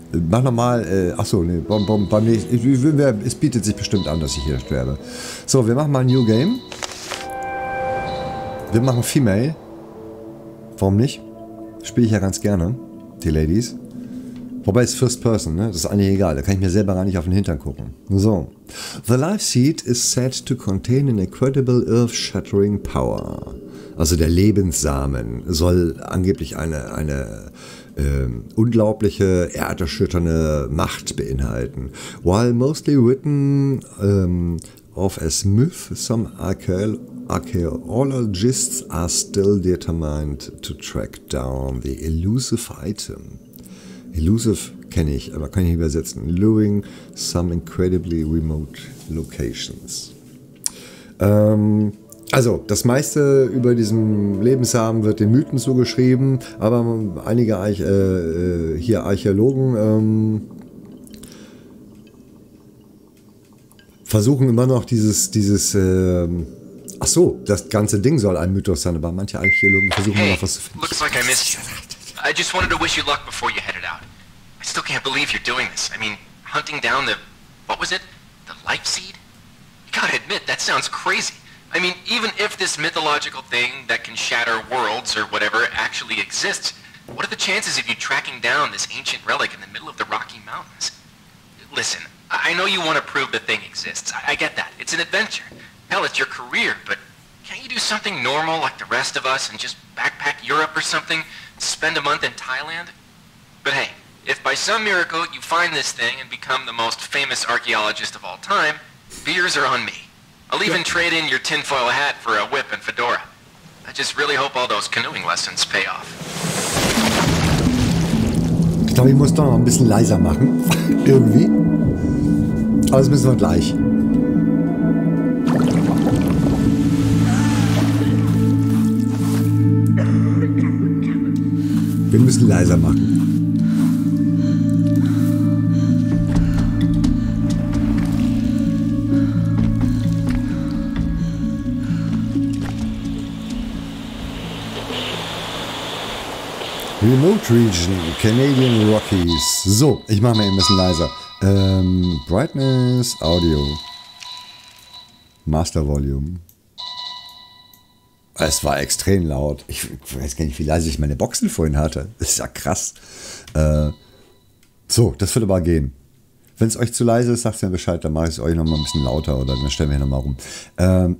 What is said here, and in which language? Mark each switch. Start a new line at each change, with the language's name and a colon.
German: Mach nochmal, achso, nee, es bietet sich bestimmt an, dass ich hier sterbe. So, wir machen mal ein New Game. Wir machen Female. Warum nicht? Spiele ich ja ganz gerne, die Ladies. Wobei es First Person, ne? Das ist eigentlich egal, da kann ich mir selber gar nicht auf den Hintern gucken. So.
English: The Life Seed is said to contain an incredible earth-shattering power.
German: Also der Lebenssamen soll angeblich eine unglaubliche, erderschütternde Macht beinhalten.
English: While mostly written off as myth, some archaeologists are still determined to track down the elusive item.
German: Elusive kenne ich, aber kann ich übersetzen.
English: Luring some incredibly remote locations.
German: Also, das meiste über diesen Lebenssamen wird den Mythen zugeschrieben, aber einige Archäologen versuchen immer noch das ganze Ding soll ein Mythos sein, aber manche Archäologen versuchen immer noch was zu finden.
English: Looks like I missed you. I just wanted to wish you luck before you headed out. I still can't believe you're doing this. I mean, hunting down the, what was it? The life seed? You gotta admit, that sounds crazy. I mean, even if this mythological thing that can shatter worlds or whatever actually exists, what are the chances of you tracking down this ancient relic in the middle of the Rocky Mountains? Listen, I know you want to prove the thing exists. I get that. It's an adventure. Hell, it's your career, but can't you do something normal like the rest of us and just backpack Europe or something? Spend a month in Thailand? But hey, if by some miracle you find this thing and become the most famous archaeologist of all time, beers are on me. I'll even trade in your tinfoil hat for a whip and fedora. I just really hope all those canoeing lessons pay off.
German: Ich glaube, ich muss doch noch ein bisschen leiser machen. Irgendwie. Aber das müssen wir gleich. Wir müssen leiser machen.
English: Remote Region, Canadian Rockies.
German: So, ich mache mir ein bisschen leiser. Brightness, Audio. Master Volume. Es war extrem laut. Ich weiß gar nicht, wie leise ich meine Boxen vorhin hatte. Das ist ja krass. So, das würde aber gehen. Wenn es euch zu leise ist, sagt mir Bescheid, dann mache ich es euch nochmal ein bisschen lauter oder dann stellen wir hier nochmal rum.